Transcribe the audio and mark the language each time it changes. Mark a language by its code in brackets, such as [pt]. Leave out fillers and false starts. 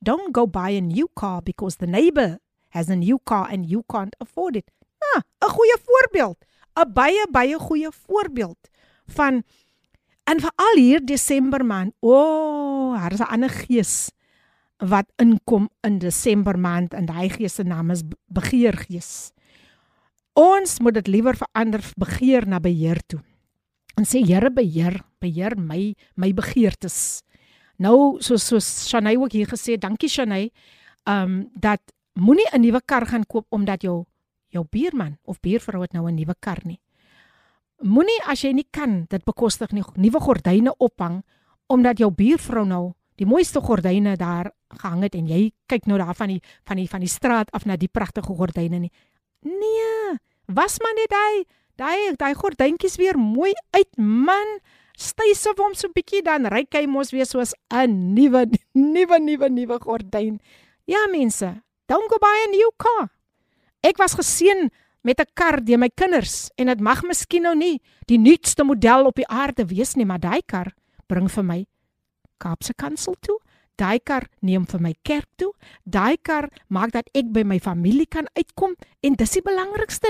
[en] Don't go buy a new car because the neighbor has a new car and you can't afford it. [af] Ah, 'n goeie voorbeeld. 'N baie goeie voorbeeld van en veral hier Desember maand, daar is 'n ander gees wat inkom in Desember maand en die gees se naam is begeergees. Ons moet dit liewer verander begeer na beheer toe. En sê Here beheer my begeertes. Nou soos Shanay ook hier gesê, dankie Shanay, dat moenie 'n nuwe kar gaan koop omdat jou buurman of buurvrou het nou 'n nuwe kar nie. Moenie as jy nie kan dit bekostig nie nuwe gordyne ophang omdat jou buurvrou nou die mooiste gordyne daar gehang het en jy kyk nou daar van die straat af na die pragtige gordyne nie. Nee, was maar net daai gordyntjies weer mooi uit, man. Stysof hom so 'n bietjie dan ryk hy mos weer soos 'n nuwe gordyn. Ja mense, [en] don't go buy a new car. [af] Ek was geseën met 'n kar deur my kinders en dit mag miskien nou nie die nuutste model op die aarde wees nie, maar daai kar bring vir my Kaapse Kansel toe. Daai kar neem vir my kerk toe. Daai kar maak dat ek by my familie kan uitkom en dis die belangrikste.